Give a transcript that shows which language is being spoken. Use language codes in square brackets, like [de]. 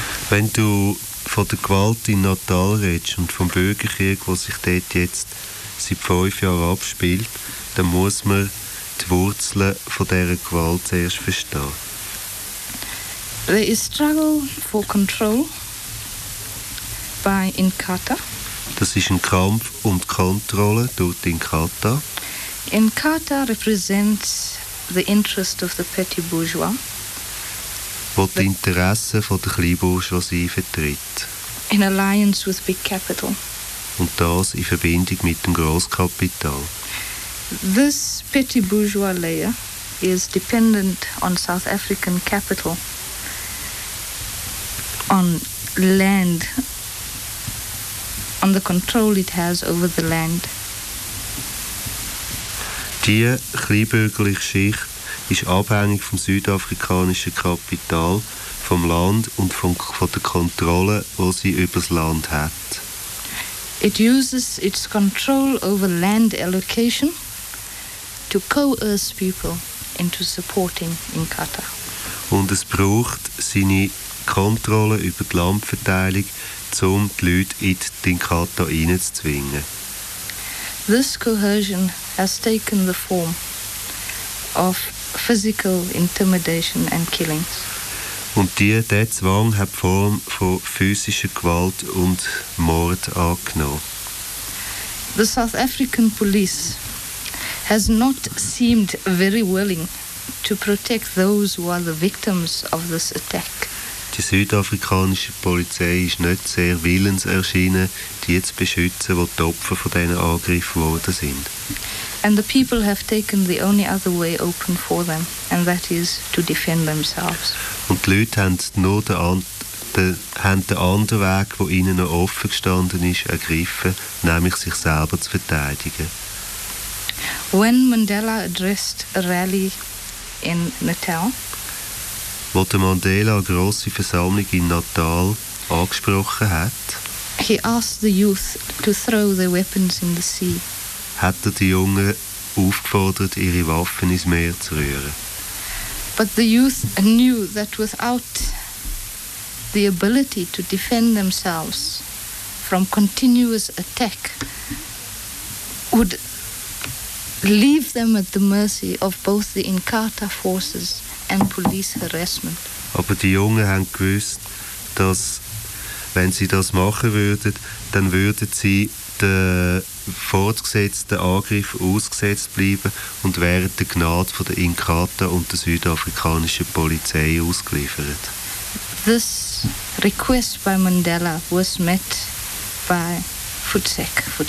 [de] Wenn du von der Gewalt in Natal redest und vom Bürgerkrieg, der sich dort jetzt seit 5 Jahren abspielt, dann muss man die Wurzeln von dieser Gewalt zuerst verstehen. [en] There is struggle for control by Inkatha. [de] Das ist ein Kampf um die Kontrolle durch die Inkatha. [en] Inkatha represents the interest of the petty bourgeois. [de] Wo die Interessen von der Kleinbourgeoisie vertritt. [en] In alliance with big capital. [de] Und das in Verbindung mit dem Grosskapital. [en] This petty bourgeois layer is dependent on South African capital. On land, on the control it has over the land. [de] Die kleinbürgerliche Schicht ist abhängig vom südafrikanischen Kapital, vom Land und von der Kontrolle, die sie über das Land hat. [en] It uses its control over land allocation to coerce people into supporting Inkatha. [de] Und es braucht seine Kontrolle über die Landverteilung, um die Leute in den Inkatha hineinzuzwingen. [en] This coercion has taken the form of physical intimidation and killings. [de] Und dieser Zwang hat die Form von physischer Gewalt und Mord angenommen. [en] The South African police has not seemed very willing to protect those who are the victims of this attack. [de] Die südafrikanische Polizei ist nicht sehr willens erschienen, die zu beschützen, die Opfer von diesen Angriffen geworden sind. [en] And the people have taken the only other way open for them, and that is to defend themselves. [de] Und die Leute haben nur den anderen Weg, der ihnen noch offen gestanden ist, ergriffen, nämlich sich selber zu verteidigen. [en] When Mandela addressed a rally in Natal, [de] wo der Mandela eine grosse Versammlung in Natal angesprochen hat, [en] he asked the youth to throw their weapons in the sea. [de] Hat er die Jungen aufgefordert, ihre Waffen ins Meer zu rühren. [en] But the youth knew that without the ability to defend themselves from continuous attack would leave them at the mercy of both the Inkatha forces and police harassment. [de] Aber die Jungen haben gewusst, dass wenn sie das machen würden, dann würden sie den fortgesetzten Angriff ausgesetzt bleiben und wären der Gnade von der Inkatha und der südafrikanischen Polizei ausgeliefert. [en] This request by Mandela was met by Fuzek.